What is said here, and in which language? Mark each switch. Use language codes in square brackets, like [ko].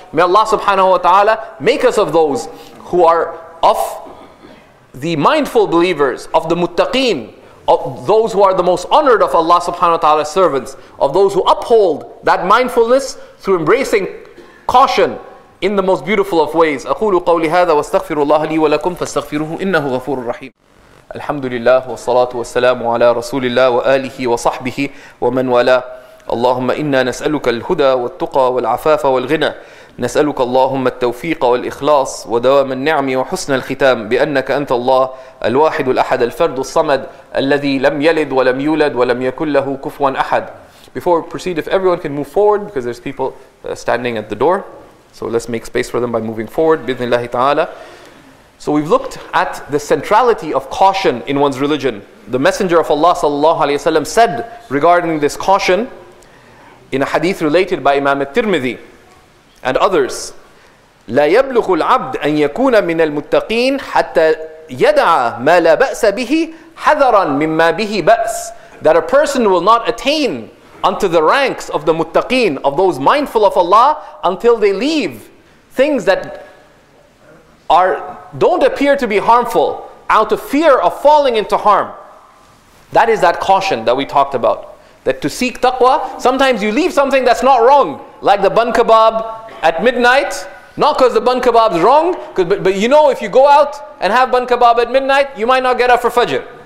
[en] May Allah subhanahu wa ta'ala make us of those who are of the mindful believers, of the muttaqeen, of those who are the most honored of Allah subhanahu wa ta'ala's servants, of those who uphold that mindfulness through embracing caution in the most beautiful of ways. [ar] أقول قولي هذا واستغفر الله لي ولكم فاستغفروه إنه غفور رحيم. الحمد لله والصلاة والسلام على رسول الله وآله وصحبه ومن والاه. اللهم إنا نسألك الهدى والتقى والعفاف والغنى. نسألك اللهم التوفيق والإخلاص ودوام النعم وحسن الختام، بأنك أنت الله الواحد الأحد الفرد الصمد الذي لم يلد ولم يولد ولم يكن له كفوا أحد. [en] Before we proceed, if everyone can move forward, because there's people standing at the door. So let's make space for them by moving forward. Bismillah ta'ala. So we've looked at the centrality of caution in one's religion. The Messenger of Allah sallallahu alayhi wa sallam said regarding this caution in a hadith related by Imam al-Tirmidhi and others. [ar] لا يبلغ العبد أن يكون من المتقين حتى يدع ما لا بأس به حذرا مما به بأس. [en] That a person will not attain unto the ranks of the muttaqeen, of those mindful of Allah, until they leave things that are don't appear to be harmful out of fear of falling into harm. That is that caution that we talked about. That to seek taqwa, sometimes you leave something that's not wrong, like the bun kebab at midnight, not because the bun kebab's wrong, but you know if you go out and have bun kebab at midnight, you might not get up for fajr.